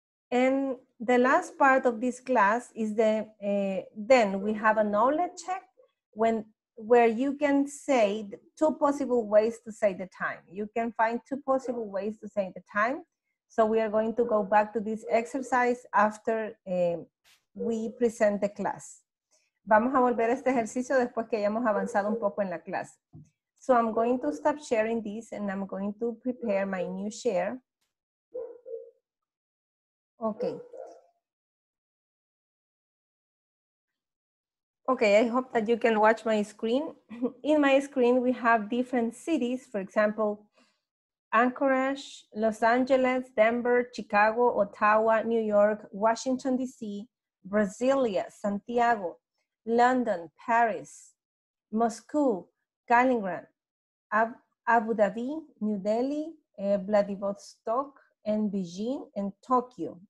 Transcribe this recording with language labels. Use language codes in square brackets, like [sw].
[en] And the last part of this class is then we have a knowledge check where you can say two possible ways to say the time. You can find two possible ways to say the time. So we are going to go back to this exercise after we present the class. [es] Vamos a volver a este ejercicio después que hayamos avanzado un poco en la clase. [en] So I'm going to stop sharing this and I'm going to prepare my new share. Okay. Okay, I hope that you can watch my screen. In my screen, we have different cities. For example, Anchorage, Los Angeles, Denver, Chicago, Ottawa, New York, Washington, D.C., Brasilia, Santiago, London, Paris, Moscow, Kaliningrad, Abu Dhabi, New Delhi, Vladivostok, and Beijing, and Tokyo.